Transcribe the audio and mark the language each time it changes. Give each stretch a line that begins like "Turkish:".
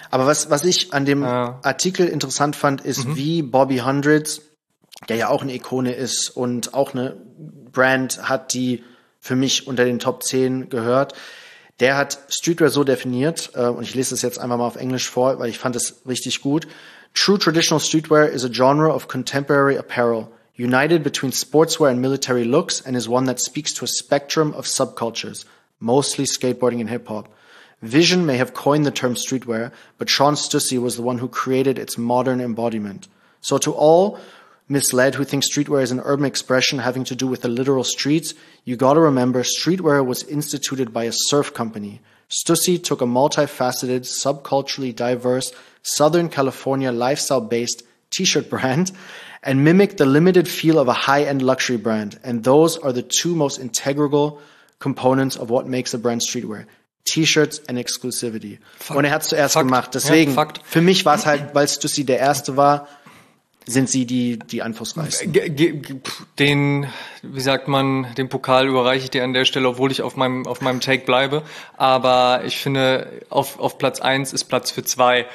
German: Aber was ich an dem Artikel interessant fand, ist, wie Bobby Hundreds, der ja auch eine Ikone ist und auch eine Brand hat, die für mich unter den Top 10 gehört, der hat Streetwear so definiert, und ich lese das jetzt einfach mal auf Englisch vor, weil ich fand es richtig gut.
English: True traditional streetwear is a genre of contemporary apparel, united between sportswear and military looks, and is one that speaks to a spectrum of subcultures, mostly skateboarding and hip-hop. Vision may have coined the term streetwear, but Sean Stussy was the one who created its modern embodiment. So to all misled who think streetwear is an urban expression having to do with the literal streets, you gotta remember streetwear was instituted by a surf company. Stussy took a multifaceted, subculturally diverse, Southern California lifestyle-based t-shirt brand and mimicked the limited feel of a high-end luxury brand. And those are the two most integral components of what makes a brand streetwear. T-Shirts and exclusivity.
German: Fuck. Und er hat es zuerst gemacht. Deswegen, für mich war es halt, weil Stussy der Erste war, sind sie die Einflussreichsten? Den Pokal überreiche ich dir an der Stelle, obwohl ich auf meinem Take bleibe. Aber ich finde, auf Platz 1 ist Platz für 2.